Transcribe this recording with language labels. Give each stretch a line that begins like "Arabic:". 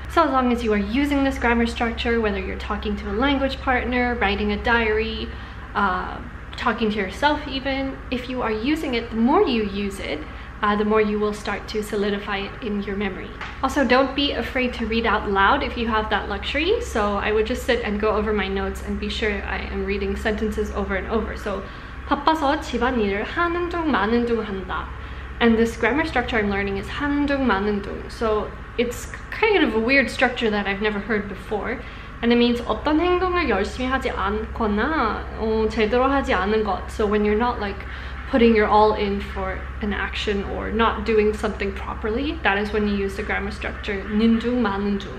English: So as long as you are using this grammar structure, whether you're talking to a language partner, writing a diary, talking to yourself even, if you are using it, the more you use it, the more you will start to solidify it in your memory. Also, don't be afraid to read out loud if you have that luxury. So I would just sit and go over my notes and be sure I am reading sentences over and over.
Korean: So 바빠서 집안일을 하는 둥 마는 둥 한다.
English: And this grammar structure I'm learning is 하는 둥 마는 둥. So it's kind of a weird structure that I've never heard before. And it means
Korean: 어떤 행동을 열심히 하지 않거나 제대로 하지 않은 것.
English: So when you're not like putting your all in for an action or not doing something properly, that is when you use the grammar structure 는둥 마는 둥.